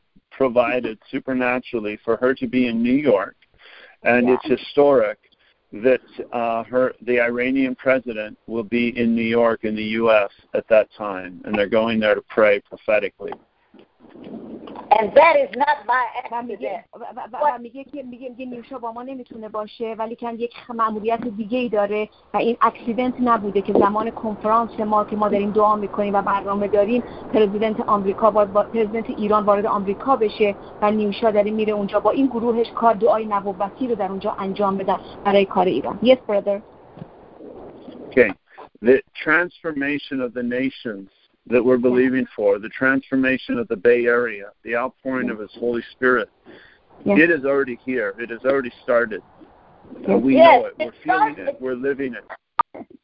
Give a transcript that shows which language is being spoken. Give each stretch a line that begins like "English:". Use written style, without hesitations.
English: provided supernaturally for her to be in New York, and it's historic that the Iranian president will be in New York in the U.S. at that time, and they're going there to pray prophetically. And that is not by accident.
Persian: و میگه که میگه نیوشا با ما نمیتونه باشه ولی کن یک ماموریت دیگه ای داره و این اکسیدنت نبوده که زمان کنفرانس ما که ما داریم دعا میکنیم و برنامه داریم پرزیدنت آمریکا با پرزیدنت ایران وارد آمریکا بشه و نیوشا داره میره اونجا با این گروهش کار دعای نبوتی رو در اونجا انجام بده برای کار ایران.
English: Yes, brother. Okay. The transformation of the nations that we're believing for, the transformation of the Bay Area, the outpouring of His Holy Spirit. Yes. It is already here. It has already started. Yes. We yes. know it. We're feeling it. We're living it.